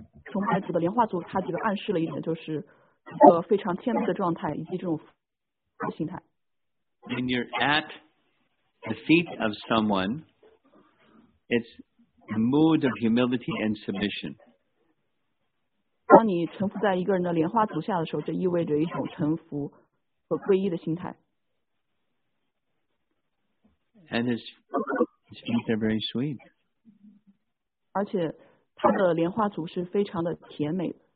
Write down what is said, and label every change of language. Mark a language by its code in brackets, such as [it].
[zh] 崇拜主的莲花柱，它这个暗示了一点，就是一个非常谦卑的状态，以及这种心态。 [en] When you're at the feet of someone, it's a mood of humility and submission. [zh] 当你臣服在一个人的莲花足下的时候，这意味着一种臣服和皈依的心态。 [en] And his feet are very sweet. [zh] 而且他的莲花足是非常的甜美。